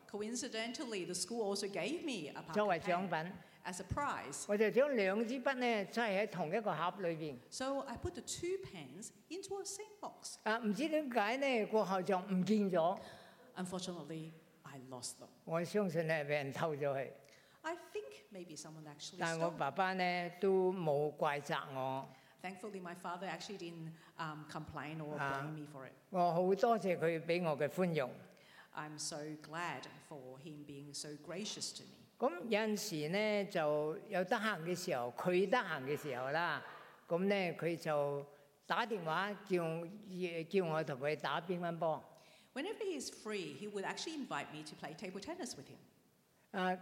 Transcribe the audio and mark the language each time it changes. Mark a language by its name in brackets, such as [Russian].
[English] Coincidentally, the school also gave me a Parker pen. [Cantonese] 作為獎品。 [English] As a prize. [Cantonese] 我就將兩支筆咧，擠喺同一個盒裏邊。 [English] So I put the two pens into a same box. [Cantonese] 唔知點解咧，過後就唔見咗。 [English] Unfortunately, I lost them. [Cantonese] 我相信咧，俾人偷咗去。 [English] I think maybe someone actually. [Cantonese] 但我爸爸咧都冇怪責我。 [English] Thankfully, my father actually didn't complain or blame me for it. [Cantonese] 我好多謝佢俾我嘅寬容。 [English] I'm so glad for him being so gracious to me. [Cantonese] 咁有陣時咧，就有得閒嘅時候，佢得閒嘅時候啦，咁咧佢就打電話叫我同佢打乒乓波。 [English] Whenever he is free, he would actually invite me to play table tennis with him.